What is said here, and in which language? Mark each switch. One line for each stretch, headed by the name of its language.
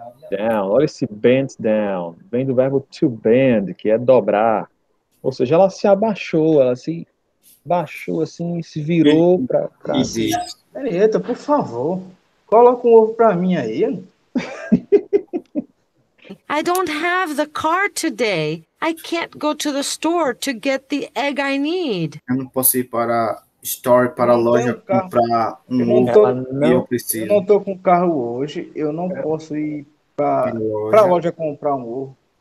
English: Bent down.
Portuguese: Olha esse
English: bent down.
Portuguese: Vem do verbo to bend, que é dobrar. Ou seja, ela se abaixou, ela se baixou assim, se virou para trás. Henrietta, por favor, coloca um ovo para mim aí.
English: I don't have the car today. I can't go to the store to get the egg I need.
Portuguese: Eu não posso ir para store, para a loja, comprar um ovo que eu preciso. Eu não estou com carro hoje. Eu não posso ir para a loja comprar um ovo.